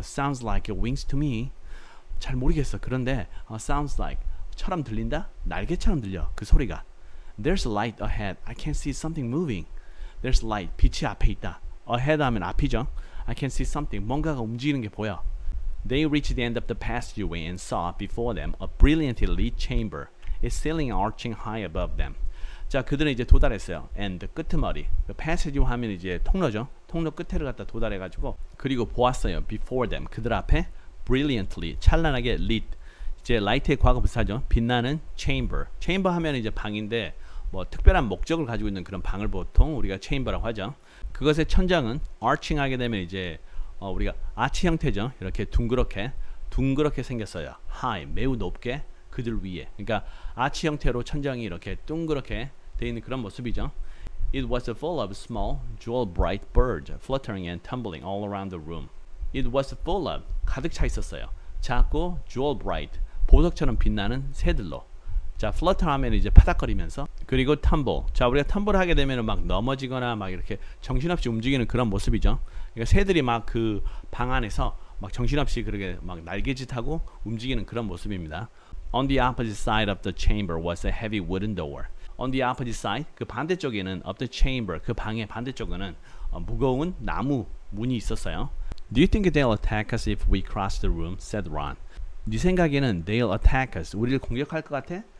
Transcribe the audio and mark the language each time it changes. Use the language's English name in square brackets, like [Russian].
[English] Sounds like wings to me. [Korean] 잘 모르겠어. 그런데 [English] sounds like [Korean] 처럼 들린다? 날개처럼 들려. 그 소리가. [English] There's light ahead. I can see something moving. There's light. [Korean] 빛이 앞에 있다. [English] Ahead [Korean] 하면 앞이죠. [English] I can see something. [Korean] 뭔가가 움직이는 게 보여. [English] They reached the end of the passageway and saw before them a brilliant lit chamber. Its ceiling arching high above them. [Korean] 자, 그들은 이제 도달했어요. And 끝머리. The passageway 하면 이제 통로죠. 통로 끝에를 갖다 도달해가지고 그리고 보았어요. [English] Before them. [Korean] 그들 앞에 [English] brilliantly. [Korean] 찬란하게 [English] lit. [Korean] 이제 light의 과거 부사죠. 빛나는 chamber. Chamber 하면 이제 방인데 뭐 특별한 목적을 가지고 있는 그런 방을 보통 우리가 chamber라고 하죠. 그것의 천장은 arching 하게 되면 이제 우리가 아치 형태죠. 이렇게 둥그렇게 둥그렇게 생겼어요. High, 매우 높게 그들 위에. 그러니까 아치 형태로 천장이 이렇게 둥그렇게 돼 있는 그런 모습이죠. [English] It was full of small, jewel bright birds fluttering and tumbling all around the room. It was full of [Korean] 가득 차 있었어요. 작고 jewel bright 보석처럼 빛나는 새들로. 자, flutter 하면 이제 파닥거리면서 그리고 tumble. 자, 우리가 tumble 하게 되면 막 넘어지거나 막 이렇게 정신없이 움직이는 그런 모습이죠. 그러니까 새들이 막 그 방 안에서 막 정신없이 그렇게 막 날개짓하고 움직이는 그런 모습입니다. [English] On the opposite side of the chamber was a heavy wooden door. On the opposite side, [Korean] 그 반대쪽에는 [English] of the chamber, [Korean] 그 방의 반대쪽에는 무거운 나무 문이 있었어요. [English] Do you think they'll attack us if we cross the room? [Korean] said Ron. 네 생각에는 [English] they'll attack us. [Korean] 우리를 공격할 것 같아?